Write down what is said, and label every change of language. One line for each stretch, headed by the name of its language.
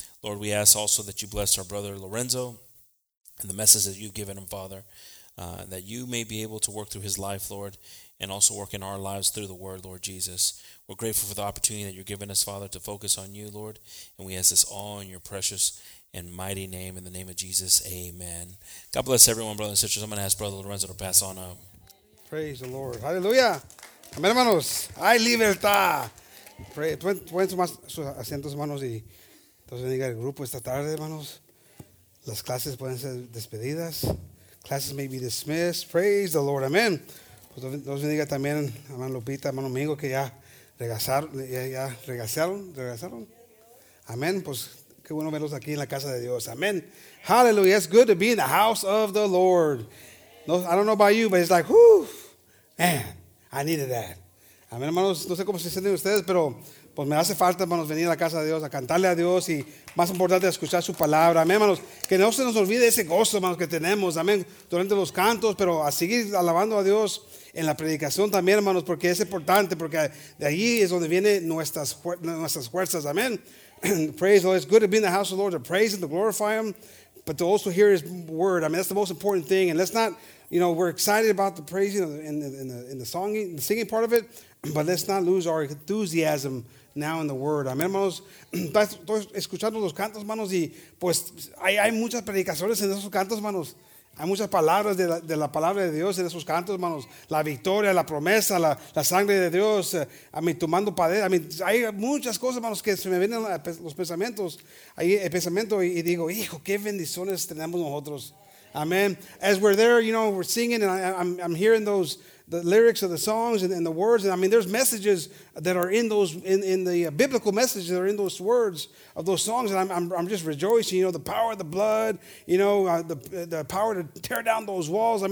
English: Lord, we ask also that you bless our brother Lorenzo and the message that you've given him, Father, that you may be able to work through his life, Lord, and also work in our lives through the word, Lord Jesus. We're grateful for the opportunity that you're giving us, Father, to focus on you, Lord, and we ask this all in your precious and mighty name, in the name of Jesus, amen. God bless everyone, brothers and sisters. I'm going to ask brother Lorenzo to pass on up. Praise the Lord. Hallelujah.
Spanish: Amén, hermanos. Hay libertad. Pueden tomar sus asientos, hermanos, y entonces venga el grupo esta tarde, hermanos. Las clases pueden ser despedidas.
English: Classes may be dismissed. Praise the Lord.
Spanish: Amén. Pues Dios bendiga también a hermano Lupita, hermano Mingo, que ya regresaron. Amén. Pues qué bueno verlos aquí en la casa de Dios. Amén. Hallelujah.
English: It's good to be in the house of the Lord. No, I don't know about you, but it's like, whew, man, I needed that.
Spanish: Amén, hermanos. No sé cómo se sienten ustedes, pero pues me hace falta, hermanos, venir a la casa de Dios a cantarle a Dios y, más importante, a escuchar su palabra. Amén, hermanos. Que no se nos olvide ese gozo, hermanos, que tenemos. Amén. Durante los cantos, pero a seguir alabando a Dios en la predicación también, hermanos, porque es importante, porque de allí es donde vienen nuestras fuerzas. Amén.
English: Praise the Lord. It's good to be in the house of the Lord, to praise and to glorify Him, but to also hear His word. I mean, that's the most important thing. And let's not, you know, we're excited about the praising in the singing part of it, but let's not lose our enthusiasm now in the word.
Spanish: Amén, hermanos. Estoy escuchando los cantos, hermanos, y pues hay muchas predicaciones en esos cantos, hermanos. Hay muchas palabras de la palabra de Dios en esos cantos, hermanos. La victoria, la promesa, la sangre de Dios. Hay muchas cosas, hermanos, que se me vienen los pensamientos. Ahí el pensamiento y digo, hijo, qué bendiciones tenemos nosotros.
English: Amen. As we're there, you know, we're singing and I'm hearing those, the lyrics of the songs and the words. And I mean, there's messages that are in those, in the biblical messages that are in those words of those songs. And I'm just rejoicing, you know, the power of the blood, you know, the power to tear down those walls.